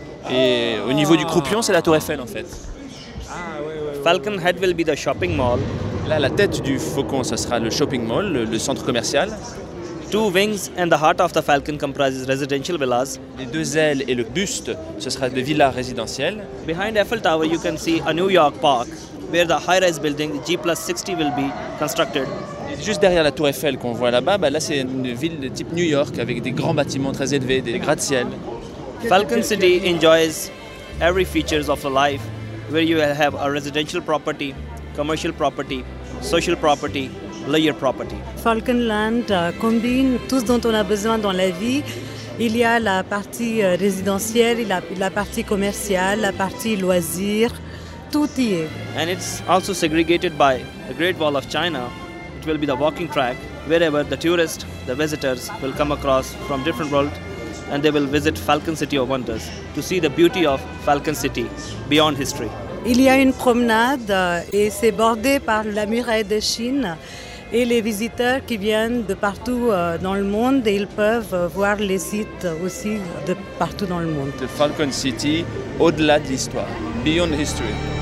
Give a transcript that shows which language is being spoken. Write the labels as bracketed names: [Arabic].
[French] Et au niveau du croupion, c'est la tour Eiffel, en fait. [English] Falcon Head will be the shopping mall. [French] Là, la tête du faucon, ça sera le shopping mall, le centre commercial. [English] Two wings and the heart of the falcon comprises residential villas. [French] Les deux ailes et le buste, ce sera des villas résidentielles. [English] Behind Eiffel Tower, you can see a New York park, where the high-rise building G+60 will be constructed. [French] Et juste derrière la tour Eiffel qu'on voit là-bas, bah là, c'est une ville de type New York, avec des grands bâtiments très élevés, des gratte-ciels. [English] Falcon City enjoys every features of the life. Where you have a residential property, commercial property, social property, leisure property. [French] Falcon Land combine tout ce dont on a besoin dans la vie. Il y a la partie résidentielle, il y a la partie commerciale, la partie loisir, tout y est. [English] And it's also segregated by the Great Wall of China. It will be the walking track wherever the tourists, the visitors will come across from different world. And they will visit Falcon City of Wonders to see the beauty of Falcon City beyond history. [French] Il y a une promenade et c'est bordé par la muraille de Chine et les visiteurs qui viennent de partout dans le monde et ils peuvent voir les sites aussi de partout dans le monde. The Falcon City au-delà de l'histoire, [English] beyond history.